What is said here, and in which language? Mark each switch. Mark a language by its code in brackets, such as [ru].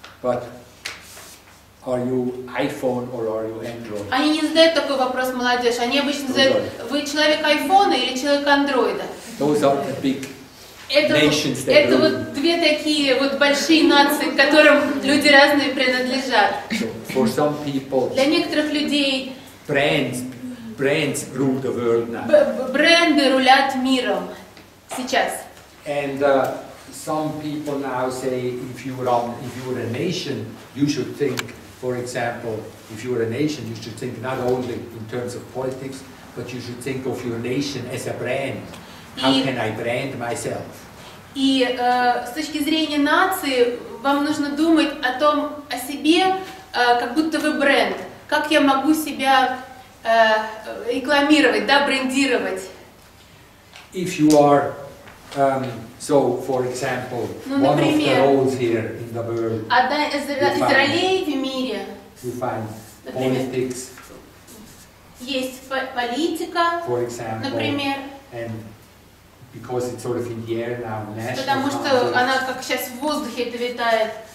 [en] But are you iPhone or are you Android? [ru] Они не задают такой вопрос молодежь. Они обычно задают: вы человек iPhone или человек Android? [en] Those are the big. [ru] Это вот две такие вот большие нации, к которым люди разные принадлежат. [en] For some people, [ru] для некоторых людей [en] brands rule the world now. [ru] Бренды рулят миром сейчас. [en] And some people now say, if you're a nation, you should think, for example, if you're a nation, you should think not only in terms of politics, but you should think of your nation as a brand. How can I brand myself? [ru] И с точки зрения нации, вам нужно думать о том, о себе, как будто вы бренд. Как я могу себя рекламировать, да, брендировать? [en] If you are, so, for example, [ru] например, [en] one of the roles here in the world, [ru] одна из ролей в мире, [en] you find politics, [ru] есть политика, [en] for example, [ru] например, [en] and because it's sort of in the air now, national politics. [ru] Потому что она как сейчас в воздухе это витает.